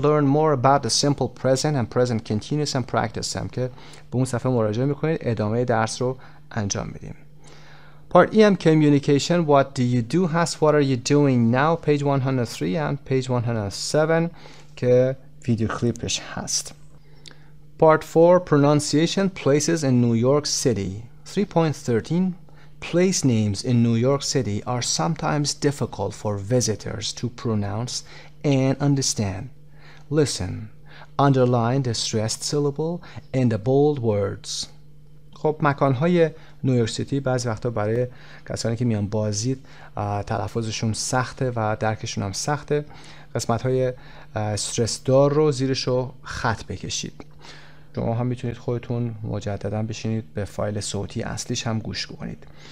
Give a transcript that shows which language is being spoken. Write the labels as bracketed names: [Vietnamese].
[English] Learn more about the simple present and present continuous and practice them. [Persian] که به اون صفحه مراجعه میکنید. ادامه درس رو انجام میدیم. [English] Part E هم communication. What do you do? Hast? What are you doing now? Page 103 and page 107 [Persian] که ویدیو کلیپش هست. [English] Part 4 pronunciation places in New York City. 3.13 place names in New York City are sometimes difficult for visitors to pronounce and understand. Listen, underline the stressed syllable and the bold words. [Persian] خب مکان‌های نیویورک سیتی بعضی وقتا برای کسانی که میان بازدید تلفظشون سخته و درکشون هم سخته. قسمت‌های استرس دار رو زیرش رو خط بکشید. شما هم میتونید خودتون مجددا بشینید به فایل صوتی اصلیش هم گوش کنید.